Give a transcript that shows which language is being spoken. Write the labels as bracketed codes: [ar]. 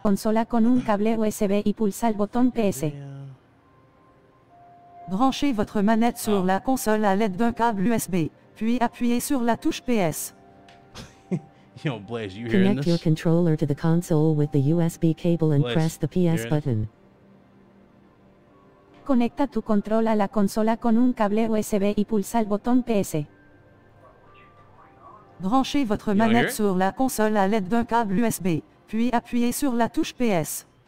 [es] Consola con un cable USB y pulsa el botón PS. [fr] Branchez votre manette sur la console à l'aide d'un câble USB, puis appuyez sur la touche PS. [en] Yo, Blaze, you hearing this? Connect your controller to the console with the USB cable and press the PS button. [es] Conecta tu control a la consola con un cable USB y pulsa el botón PS. [fr] Branchez votre manette sur la console à l'aide d'un câble USB, puis appuyez sur la touche PS.